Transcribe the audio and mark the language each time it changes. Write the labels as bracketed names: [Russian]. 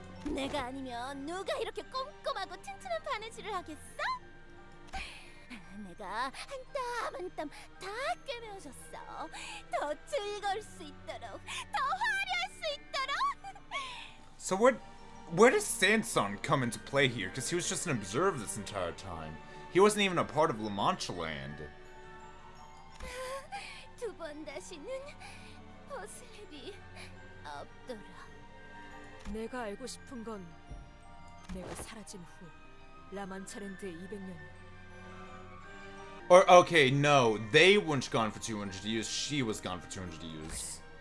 [Korean] 내가 아니면 누가 이렇게 꼼꼼하고 튼튼한 바느질을 하겠어? 내가 한땀한땀 다 깨매어졌어. 더 즐거울 수 있도록, 더 화려할 수 있도록. [English] So what? Where does Sanson come into play here? Because he was just an observer this entire time. He wasn't even a part of La Mancha Land. [Korean] 두 번 다시는 벗을 일이 없더라. 내가 알고 싶은 건 내가 사라진 후 라만차렌드의 200년. [English] Or, okay, no, they weren't gone for 200 years, she was gone for 200 years.